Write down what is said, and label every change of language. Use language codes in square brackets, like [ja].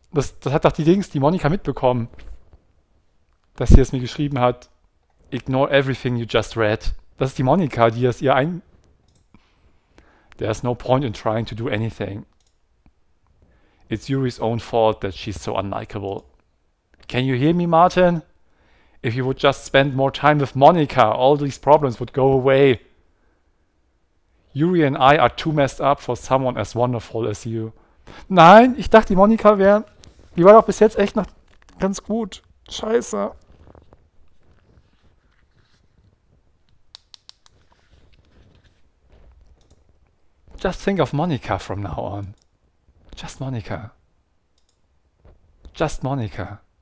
[de] Das hat doch die Dings, die Monika mitbekommen. Dass sie es mir geschrieben hat. [en] Ignore everything you just read. [de] Das ist die Monika, die es ihr ein... [en] There's no point in trying to do anything. It's Yuri's own fault that she's so unlikable. Can you hear me, Martin? If you would just spend more time with Monika, all these problems would go away. Yuri and I are too messed up for someone as wonderful as you. [de] Nein, ich dachte, die Monika wäre... Die war doch bis jetzt echt noch ganz gut. Scheiße. [en] Just think of Monika from now on. Just Monika. Just Monika.